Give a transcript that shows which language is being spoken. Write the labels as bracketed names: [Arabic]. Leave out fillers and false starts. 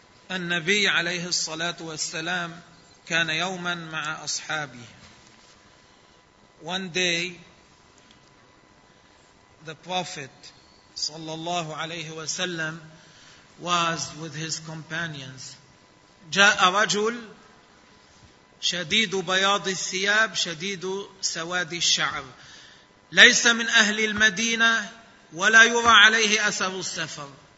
[Arabic] النبي عليه الصلاة والسلام كان يوما مع أصحابه. [English] One day, the Prophet [Arabic] صلى الله عليه وسلم [English] was with his companions. [Arabic] جاء رجل شديد بياض الثياب شديد سواد الشعر ليس من أهل المدينة ولا يرى عليه أثر السفر.